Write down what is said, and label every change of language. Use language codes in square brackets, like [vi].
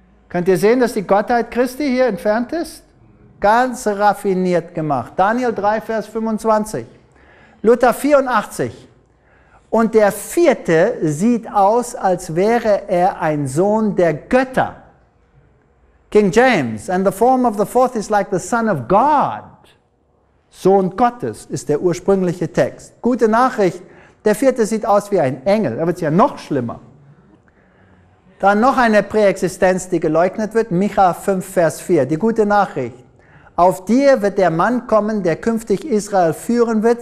[de] Könnt ihr sehen, dass die Gottheit Christi hier entfernt ist? Ganz raffiniert gemacht. Daniel 3, Vers 25. Luther 84. Und der vierte sieht aus, als wäre er ein Sohn der Götter. [en] King James, and the form of the fourth is like the son of God. [de] Sohn Gottes ist der ursprüngliche Text. Gute Nachricht, der vierte sieht aus wie ein Engel. Da wird es ja noch schlimmer. Dann noch eine Präexistenz, die geleugnet wird. Micha 5, Vers 4. Die gute Nachricht. Auf dir wird der Mann kommen, der künftig Israel führen wird.